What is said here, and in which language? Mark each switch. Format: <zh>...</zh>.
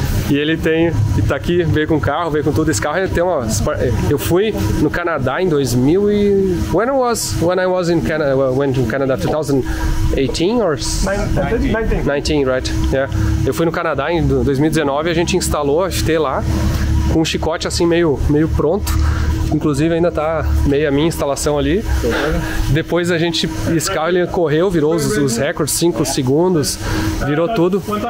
<pt>E ele tem, e tá aqui, veio com o carro, veio com tudo. Esse carro tem uma. Eu fui no Canadá em 2000 e.</pt> <en>When I was in Canada, well, went to Canada 2018 or. 19, right? Yeah.</en> <pt>Eu fui no Canadá em 2019 e a gente instalou a FT lá, com um chicote assim meio pronto. Inclusive ainda tá meio a minha instalação ali. Depois a gente, esse carro ele correu, virou os recordes, 5 segundos, virou tudo.</pt>